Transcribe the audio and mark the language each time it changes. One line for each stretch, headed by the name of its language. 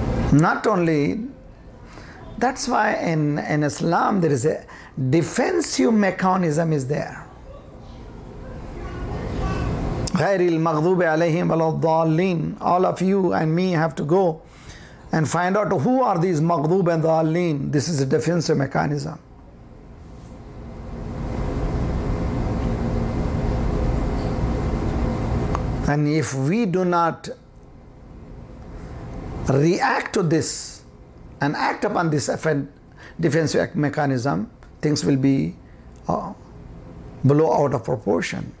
English: Not only, that's why in Islam there is a defensive mechanism is there.
Arabic: غير المغضوب عليهم ولا الضالين.
English: All of you and me have to go and find out who are these مغضوب and ضالين. This is a defensive mechanism. And if we do not react to this and act upon this defensive mechanism, things will be blow out of proportion.